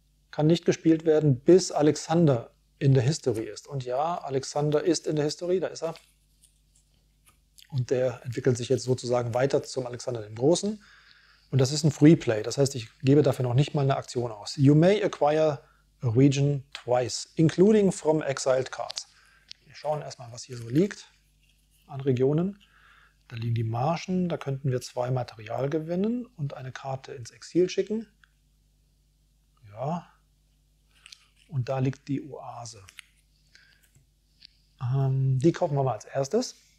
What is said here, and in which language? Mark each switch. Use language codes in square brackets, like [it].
[de] Kann nicht gespielt werden, bis Alexander in der History ist. Und ja, Alexander ist in der History, da ist er. Und der entwickelt sich jetzt sozusagen weiter zum Alexander den Großen. Und das ist ein Free Play. Das heißt, ich gebe dafür noch nicht mal eine Aktion aus. [en] You may acquire a region twice, including from exiled cards. [de] Wir schauen erstmal, was hier so liegt an Regionen. Da liegen die Marschen, da könnten wir zwei Material gewinnen und eine Karte ins Exil schicken. Ja. Und da liegt die Oase. Die kaufen wir mal als erstes.